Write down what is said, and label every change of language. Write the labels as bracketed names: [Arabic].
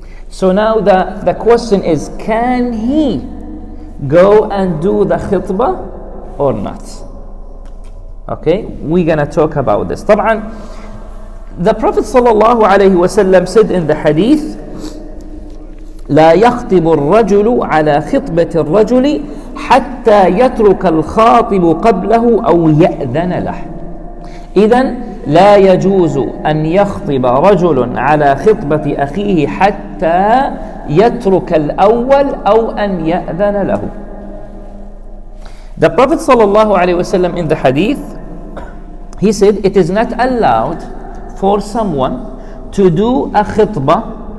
[English] So now the question is, can he go and do the khitbah or not? Okay, we're gonna talk about this. [Arabic] طبعاً, [English] the Prophet sallallahu alayhi wasallam said in the hadith, [Arabic] لا يخطب الرجل على خطبة الرجل حتى يترك الخاطب قبله أو يأذن له. إذن لا يجوز أن يخطب رجل على خطبة أخيه حتى يترك الأول أو أن يأذن له. [English] The Prophet [Arabic] صلى الله عليه وسلم [English] in the hadith, he said, it is not allowed for someone to do a khitbah